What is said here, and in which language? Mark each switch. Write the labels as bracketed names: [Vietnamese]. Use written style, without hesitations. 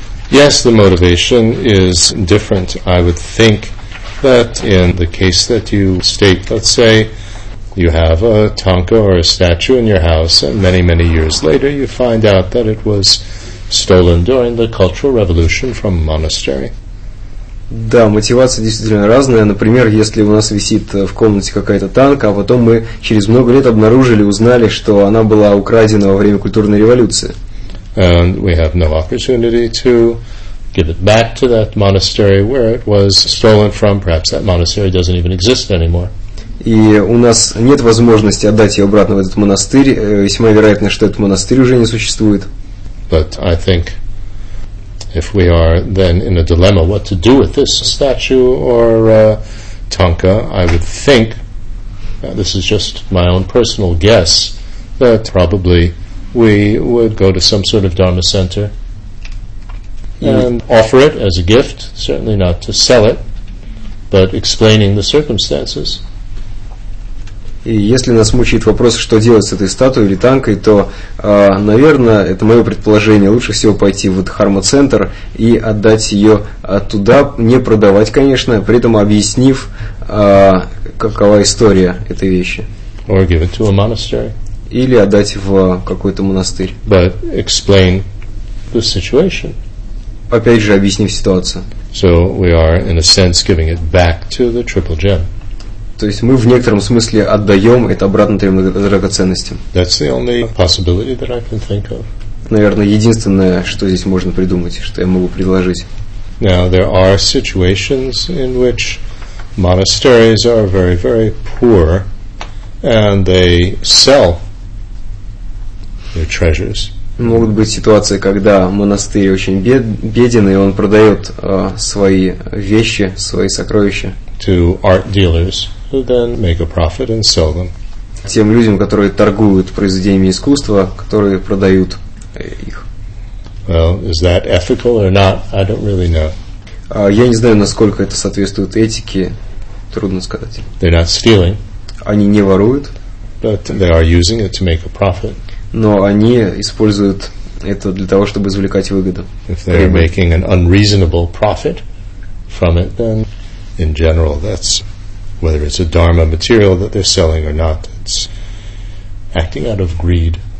[English] Yes, the motivation is different. I would think that in the case that you state, let's say, you have a tanka or a statue in your house, and many, many years later you find out that it was stolen during the Cultural Revolution from a monastery. [Russian] Да, мотивация действительно разная. Например, если у нас висит в комнате какая-то танка, а потом мы через много лет обнаружили, узнали, что она была украдена во время культурной революции. [English] And we have no opportunity to give it back to that monastery where it was stolen from. Perhaps that monastery doesn't even exist anymore. [Russian] И у нас нет возможности отдать ее обратно в этот монастырь, весьма вероятно, что этот монастырь уже не существует. [English] But I think if we are then in a dilemma what to do with this statue or tanka, I would think, this is just my own personal guess, that probably we would go to some sort of dharma center and offer it as a gift, certainly not to sell it, but explaining the circumstances. [Russian] И если нас мучает вопрос, что делать с этой статуей или танкой, то, наверное, это мое предположение, лучше всего пойти в дхарма-центр и отдать ее туда, не продавать, конечно, при этом объяснив, какова история этой вещи. [English] Or give it to a monastery. [Russian] Или отдать в какой-то монастырь. [English] But explain the situation. [Russian] Опять же, объяснив ситуацию. [English] So we are, in a sense, giving it back to the triple gem. [Russian] То есть мы в некотором смысле отдаем это обратно трем драгоценностям. [English] That's the only possibility that I can think of. [Russian] Наверное, единственное, что здесь можно придумать, что я могу предложить. [English] Now, there are situations in which monasteries are very, very poor and they sell their treasures. [Russian] Могут быть ситуации, когда монастырь очень беден, и он продает свои вещи, свои сокровища [English] to art dealers. Who then make a profit and sell them. [Russian] тем людям, которые торгуют произведениями искусства, которые продают их. [English] Well, is that ethical or not? I don't really know. [Russian] Я не знаю, насколько это соответствует этике, трудно сказать. [English] They're not stealing. [Russian] Они не воруют. [English] But they are using it to make a profit. [Russian] Но они используют это для того, чтобы извлекать выгоду. [English] If they are making an unreasonable profit from it, then in general, that's whether it's a dharma material that they're selling or not, it's acting out of greed.